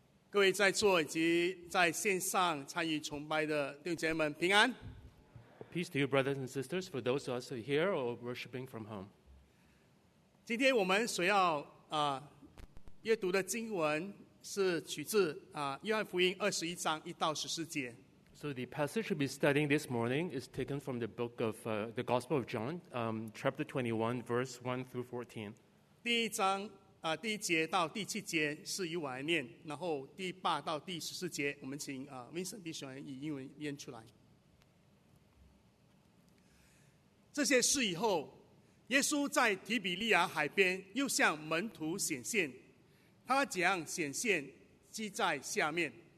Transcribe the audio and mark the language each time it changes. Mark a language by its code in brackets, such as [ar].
[zh] 各位在座以及在线上参与崇拜的弟兄姐妹们，平安。 [en] Peace to you, brothers and sisters. For those of us who are here or worshiping from home. [zh] 今天我们所要阅读的经文是取自约翰福音二十一章一到十四节。 [en] So the passage we'll be studying this morning is taken from the book of the Gospel of John, chapter 21, verse 1 through 14. [zh] 第一章第一节到第七节是由我来念，然后第八到第十四节，我们请Vincent 弟兄以英文念出来。这些事以后，耶稣在提比利亚海边又向门徒显现，他怎样显现，记在下面。